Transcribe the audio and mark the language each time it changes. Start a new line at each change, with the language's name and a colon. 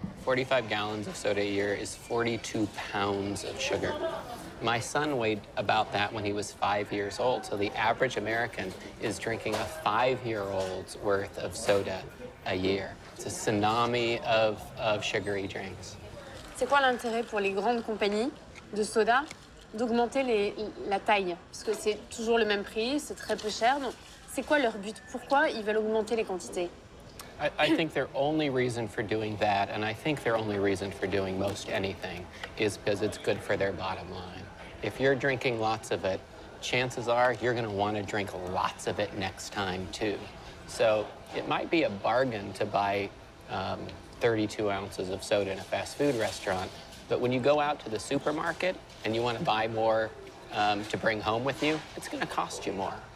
English: is 42 pounds of sugar. My son weighed about that when he was 5 years old, so the average American is drinking a 5-year-old's worth of soda a year. It's a tsunami of sugary drinks.
French: C'est quoi l'intérêt pour les grandes compagnies de soda d'augmenter la taille? Parce que c'est toujours le même prix, c'est très peu cher. Donc, c'est quoi leur but? Pourquoi ils veulent augmenter les quantités?
English: I think their only reason for doing that, and I think their only reason for doing most anything, is because it's good for their bottom line. If you're drinking lots of it, chances are you're going to want to drink lots of it next time, too. So it might be a bargain to buy 32 ounces of soda in a fast food restaurant, but when you go out to the supermarket and you want to buy more to bring home with you, it's going to cost you more.